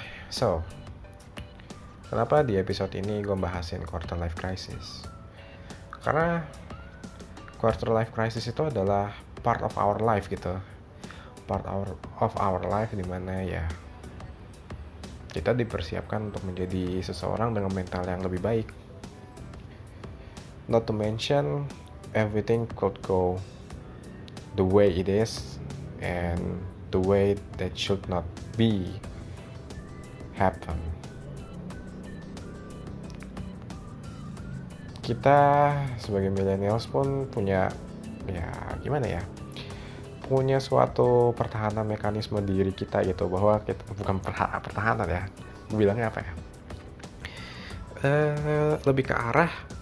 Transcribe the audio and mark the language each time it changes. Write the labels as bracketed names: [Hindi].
[Indonesian] So kenapa di episode ini gue bahasin quarter life crisis? Karena quarter life crisis itu adalah [English] part of our life [Indonesian] gitu. [English] Part of our life [Indonesian] dimana ya kita dipersiapkan untuk menjadi seseorang dengan mental yang lebih baik. [English] Not to mention everything could go the way it is and the way that should not be happen. [Indonesian] Kita sebagai millennials pun punya ya gimana ya, punya suatu pertahanan mekanisme diri kita gitu, bahwa kita bukan pertahanan ya, bilangnya apa ya, lebih ke arah